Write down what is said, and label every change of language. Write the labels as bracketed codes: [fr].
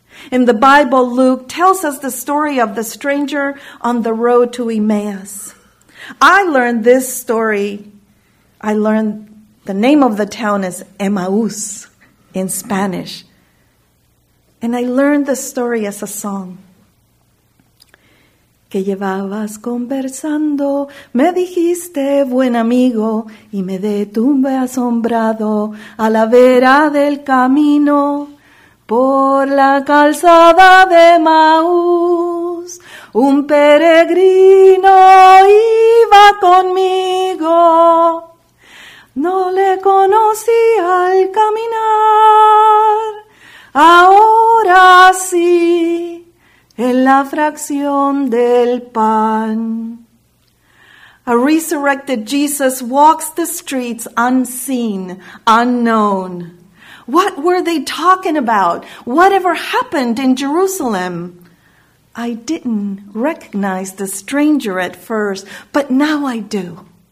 [en] In the Bible, Luke tells us the story of the stranger on the road to Emmaus. I learned the name of the town is Emmaus in Spanish. And I learned the story as a song. [es] Que llevabas conversando, me dijiste buen amigo, y me detuve asombrado a la vera del camino. Por la calzada de Maús, un peregrino iba conmigo. No le conocí al caminar, ahora sí, en la fracción del pan. [en] A resurrected Jesus walks the streets unseen, unknown. What were they talking about? Whatever happened in Jerusalem? I didn't recognize the stranger at first, but now I do.